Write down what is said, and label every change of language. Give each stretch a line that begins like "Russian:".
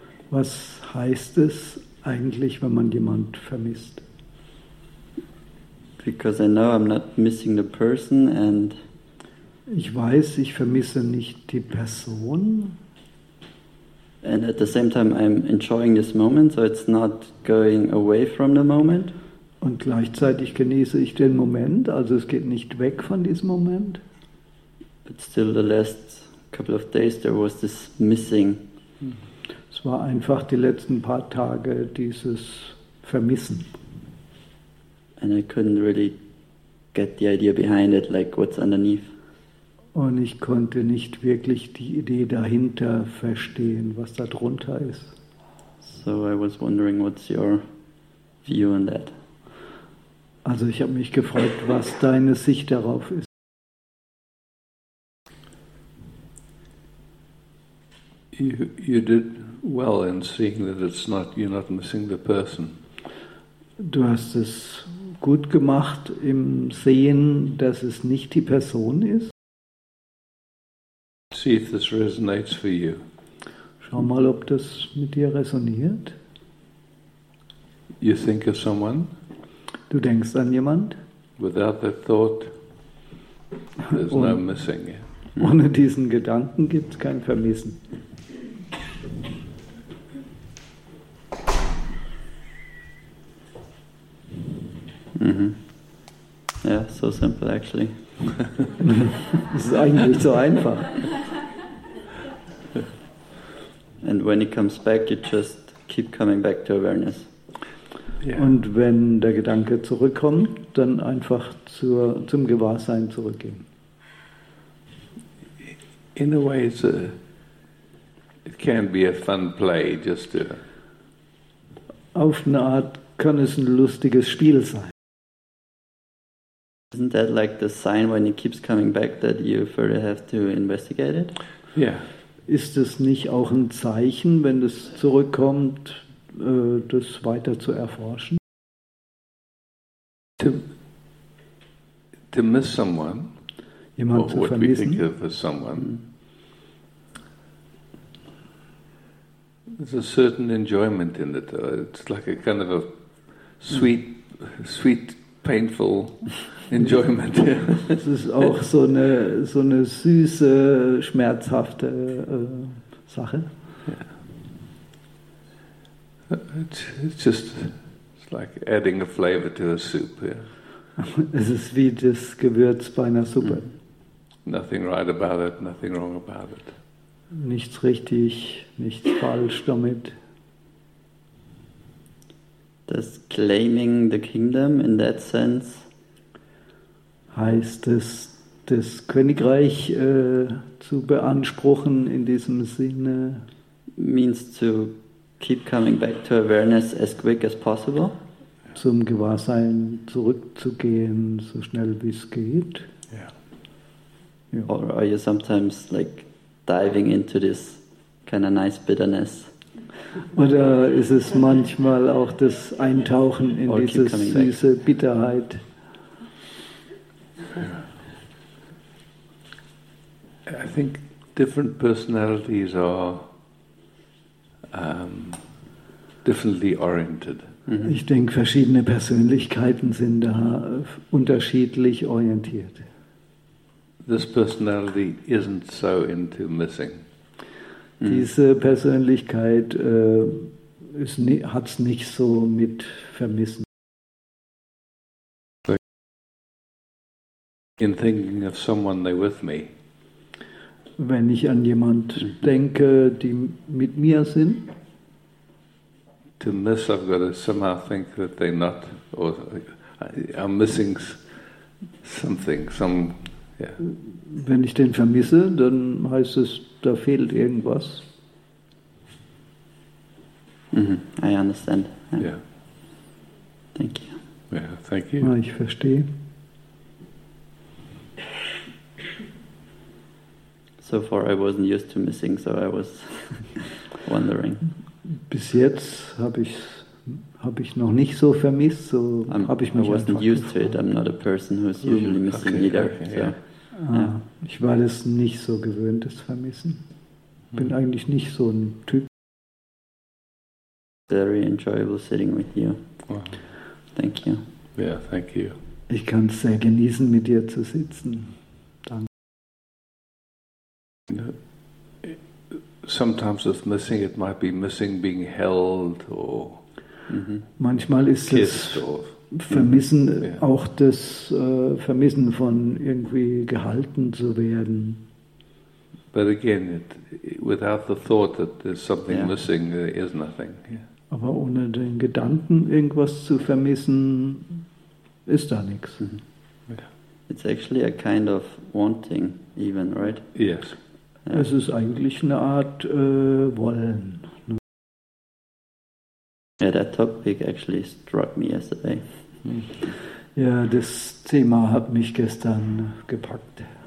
German: Was heißt es eigentlich, wenn man jemand vermisst?
English: Because I know I'm not missing the person and
German: ich weiß, ich vermisse nicht die Person.
English: And at the same time I'm enjoying this moment, so it's not going away from the moment.
German: Und gleichzeitig genieße ich den Moment, also es geht nicht weg von diesem Moment.
English: But still the last couple of days there was this missing.
German: Es war einfach die letzten paar Tage dieses Vermissen.
English: And I couldn't really get the idea behind it, like what's underneath.
German: Und ich konnte nicht wirklich die Idee dahinter verstehen, was da drunter ist.
English: So I was wondering what's your view on that.
German: Also ich habe mich gefragt, was deine Sicht darauf ist.
English: You did well in seeing that it's not, you're not missing the person.
German: Du hast es gut gemacht im Sehen, dass es nicht die Person ist.
English: See if this resonates for you.
German: Schau mal, ob das mit dir resoniert.
English: You think of someone.
German: Du denkst an jemand.
English: Without that thought, there's no missing.
German: Ohne diesen Gedanken gibt es kein Vermissen.
English: Mm-hmm. Yeah, so simple actually.
German: Es ist eigentlich so einfach.
English: And when it comes back, you just keep coming back to awareness. Yeah.
German: Und wenn der Gedanke zurückkommt, dann einfach zum Gewahrsein zurückgehen.
English: In a way, it can be a fun play, just to.
German: Auf eine Art kann es ein lustiges Spiel sein.
English: Isn't that like the sign when it keeps coming back that you further have to investigate it? Yeah.
German: Ist es nicht auch ein Zeichen, wenn es zurückkommt, das weiter zu erforschen?
English: To miss someone,
German: jemand zu vermissen.
English: What we think of as someone. There's a certain enjoyment in it. It's like a kind of a sweet, sweet, painful enjoyment.
German: Es ist auch so eine süße, schmerzhafte Sache.
English: It's just it's like adding a flavor to a soup. Yeah.
German: Es ist wie das Gewürz bei einer Suppe.
English: Nothing right about it, nothing wrong about it.
German: Nichts richtig, nichts falsch damit.
English: Does claiming the kingdom in that sense
German: heißt es, das Königreich zu beanspruchen in diesem Sinne?
English: Means to keep coming back to awareness as quick as possible.
German: Zum Gewahrsein zurückzugehen, so schnell wie es geht.
English: Yeah. Or are you sometimes like diving into this kind of nice bitterness?
German: Oder ist es manchmal auch das Eintauchen in or diese süße back. Bitterheit?
English: I think different personalities are differently oriented. Mm-hmm.
German: Ich denke, verschiedene Persönlichkeiten sind da unterschiedlich orientiert.
English: This personality isn't so into missing.
German: Diese Persönlichkeit hat's nicht so mit vermissen.
English: In thinking of someone they're with me.
German: Wenn ich an jemand denke, die mit mir sind.
English: To miss, I've got to somehow think that they're not, or I'm missing something, some. Yeah.
German: Wenn ich den vermisse, dann heißt es, da fehlt irgendwas.
English: Mm-hmm. I understand. Yeah. Thank you. Yeah, thank you.
German: Ja, ich verstehe.
English: So far, I wasn't used to missing, so I was wondering.
German: Bis jetzt habe ich noch nicht so vermisst, so habe ich mich
English: I wasn't used to it. I'm not a person who is usually missing okay, either. Okay, so. Yeah.
German: Ich war das nicht so gewöhnt, das Vermissen. Bin eigentlich nicht so ein Typ.
English: Very enjoyable sitting with you. Wow. Thank you. Yeah, thank you.
German: Ich kann es sehr genießen, mit dir zu sitzen. Danke.
English: Sometimes with missing, it might be missing being held or.
German: Manchmal ist es Vermissen auch das Vermissen von irgendwie gehalten zu werden.
English: But again, without the thought that there's something missing, there is nothing. Yeah.
German: Aber ohne den Gedanken, irgendwas zu vermissen, ist da nichts.
English: Yeah. It's actually a kind of wanting, even, right? Yes. Yeah.
German: Es ist eigentlich eine Art Wollen. Ne?
English: Yeah, that topic actually struck me yesterday.
German: Ja, das Thema hat mich gestern gepackt.